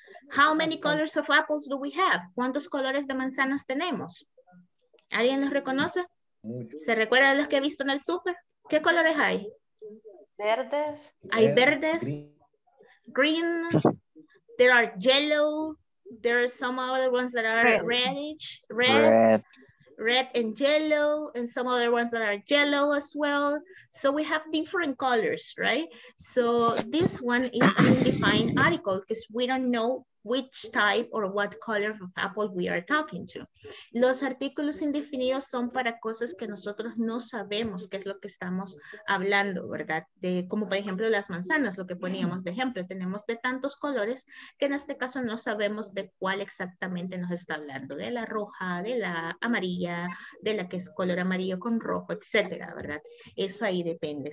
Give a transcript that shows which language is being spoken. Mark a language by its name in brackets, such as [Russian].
[English] How many colors of apples do we have? [Spanish] ¿Cuántos colores de manzanas tenemos? ¿Alguien los reconoce? ¿Se recuerda de los que he visto en el súper? ¿Qué colores hay? Verdes. Hay verdes. [English] Green. There are yellow. There are some other ones that are reddish. Red. Red and yellow, and some other ones that are yellow as well. So we have different colors, right? So this one is an undefined article because we don't know which type or what color of apple we are talking to. [Spanish] Los artículos indefinidos son para cosas que nosotros no sabemos qué es lo que estamos hablando, ¿verdad? De, como por ejemplo las manzanas, lo que poníamos de ejemplo. Tenemos de tantos colores que en este caso no sabemos de cuál exactamente nos está hablando. De la roja, de la amarilla, de la que es color amarillo con rojo, etcétera, ¿verdad? Eso ahí depende.